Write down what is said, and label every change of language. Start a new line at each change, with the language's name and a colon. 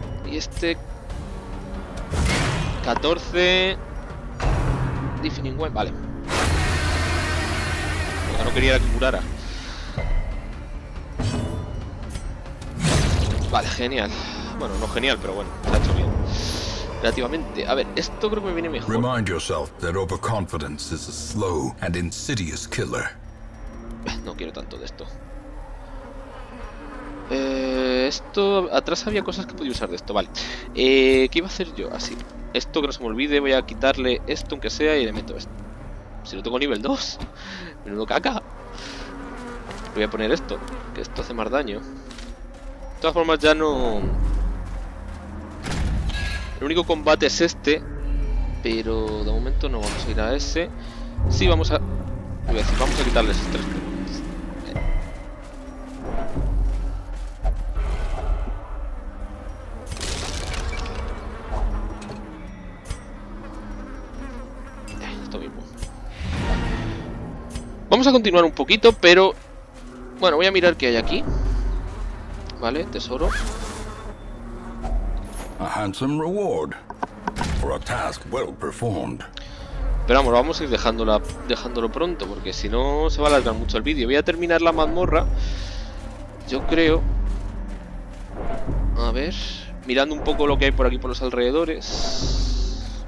Spanish: Y este 14. Defining Web, vale. Porque no quería que curara. Vale, genial. Bueno, no genial, pero bueno, se ha hecho bien. Relativamente. A ver, esto creo que me viene mejor.
English: Remind yourself that overconfidence is a slow and insidious killer.
Spanish: No quiero tanto de esto. Esto. Atrás había cosas que podía usar de esto, vale. ¿Qué iba a hacer yo? Así. Esto que no se me olvide, voy a quitarle esto aunque sea y le meto esto. Si lo tengo nivel 2. Menudo caca. Voy a poner esto, que esto hace más daño. De todas formas ya no. El único combate es este, pero de momento no vamos a ir a ese. Sí, vamos a. Voy a decir, vamos a quitarle esos tres puntos. Esto mismo. Vamos a continuar un poquito, pero. Bueno, voy a mirar qué hay aquí. Vale, tesoro.
English: A handsome reward for a task well performed.
Spanish: Pero vamos, vamos a ir dejándolo pronto, porque si no se va a alargar mucho el vídeo. Voy a terminar la mazmorra, yo creo. A ver, mirando un poco lo que hay por aquí por los alrededores.